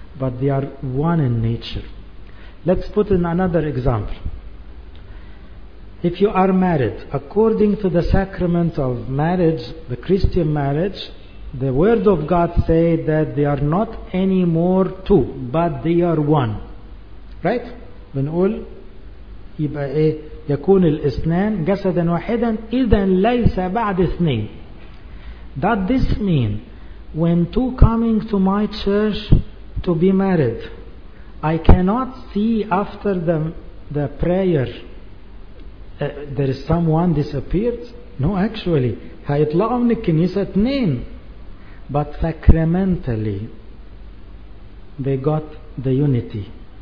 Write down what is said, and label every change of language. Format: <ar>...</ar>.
<en>But they are one in nature. Let's put in another example. If you are married, according to the sacrament of marriage, the Christian marriage, the word of God say that they are not anymore two, but they are one. Right?</en> <ar>بنقول يبقى إيه؟ يكون الاثنان جسدا واحدا، إذا ليس بعد اثنين.</ar> <en>Does this mean when two coming to my church to be married, I cannot see after the prayer there is someone disappeared? No, actually</en> <ar>هيطلعوا من الكنيسة اثنين،</ar> <en>but sacramentally they got the unity.</en>